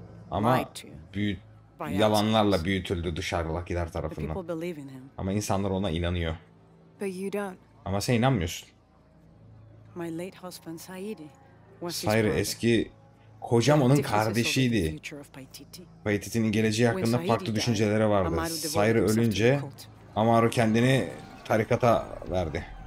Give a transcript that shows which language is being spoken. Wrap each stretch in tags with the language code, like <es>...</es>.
<tr>Ama yalanlarla büyütüldü dışarıdakiler tarafından. Ama insanlar ona inanıyor. Ama sen inanmıyorsun.</tr> <en>My late husband Saidi was his brother.</en> <tr>Eski kocam onun kardeşiydi. Paititi'nin geleceği hakkında farklı düşünceleri vardı. Sayri ölünce Amaru kendini tarikata verdi.</tr>